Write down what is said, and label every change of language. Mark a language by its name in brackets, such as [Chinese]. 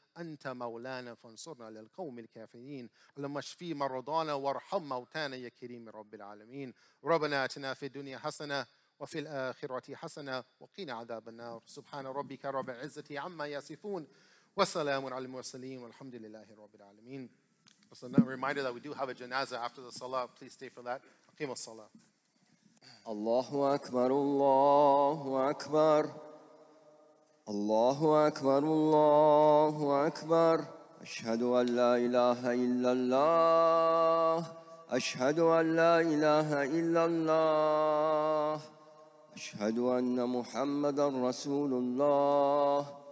[Arabic] أنت مولانا فانصرنا للقوم الكافرين اللهم اشف مرضانا وارحم موتانا يا كريم رب العالمين ربنا آتنا في الدنيا حسنة وفي الآخرة حسنة وقنا عذاب النار سبحان ربك رب العزة عما يصفون وسلام على المرسلين والحمد لله رب العالمين. [English] So a reminder that we do have a janazah after the salah, please stay for that. [Arabic] أقيم الصلاة. الله أكبر الله أكبر الله أكبر الله أكبر أشهد أن لا إله إلا الله أشهد أن لا إله إلا الله أشهد أن محمد رسول الله